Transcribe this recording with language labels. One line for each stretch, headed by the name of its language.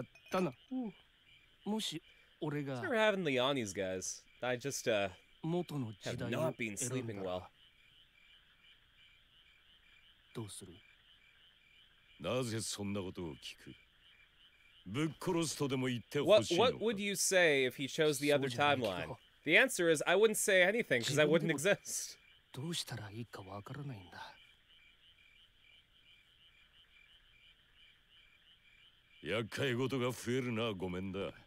Japanese: だな。もし俺が。
English: We're having the Yannis, guys. I just, have not been sleeping well.
Japanese: どうする？なぜそんなことを聞く？ぶっ殺すとでも言ってほしいのか。
English: What would you say if he chose the other timeline? The answer is I wouldn't say anything because I wouldn't exist.
Japanese: どうしたらいいかわからないんだ。厄介事が増えるな、ごめんだ。